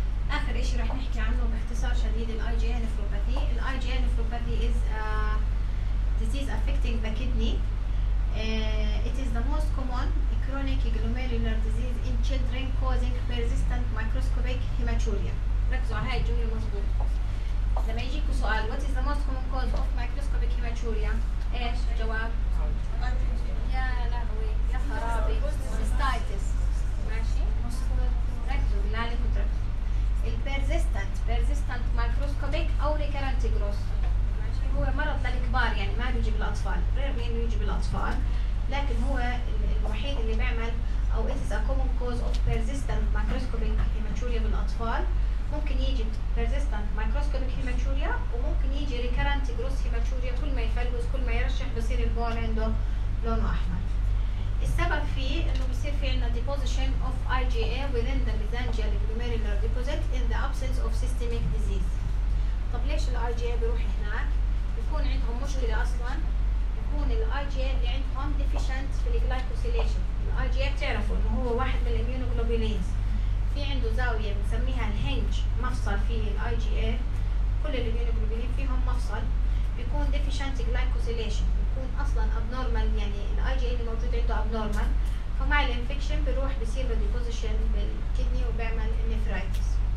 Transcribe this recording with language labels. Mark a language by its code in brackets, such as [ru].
[ar] اخر اشي رح نحكي عنه باختصار شديد الاي جي ان نفروباثي. [en] الاي جي ان nephropathy is disease affecting the kidney. It is the most common chronic glomerular disease in children causing persistent microscopic hematuria. [ar] ركزوا على هاي الجملة مظبوط. لما يجيكوا سؤال [en] what is the most common cause of microscopic hematuria؟ [ar] ايش جواب؟ يا لهوي يا خرابي cystitis. ماشي ركزوا لا لي ال persistent microscopic او recurrent gross. هو مرض للكبار يعني ما بيجي بالأطفال، غير مين بيجي بالأطفال، لكن هو الوحيد اللي بيعمل أو [en] it is a common cause of persistent microscopic hematuria [ar] بالأطفال. ممكن يجي persistent microscopic hematuria وممكن يجي recurrent gross hematuria، كل ما يفلوس كل ما يرشح بصير البول عنده لونه أحمر. السبب فيه إنه بصير في عنا [en] deposition of IgA within the mesangial glomerular deposit in the absence of systemic disease. [ar] طب ليش IgA بروح هناك؟ يكون عندهم مشكلة أصلاً، يكون الاي جي اللي عندهم ديفيشنت في الجلايكوسيليشن. الاي جي بتعرفوا إنه هو واحد من الاميونوغلوبولينز، في عنده زاوية بنسميها الهنج، مفصل فيه الاي جي اي، كل الاميونوغلوبولين فيهم مفصل، بيكون ديفيشنت جلايكوسيليشن، بيكون أصلاً ابنورمال، يعني الاي جي اللي موجود عنده ابنورمال، فمع الانفكشن بيروح بيصير بديبوزيشن بالكيدني وبيعمل نيفرايتس.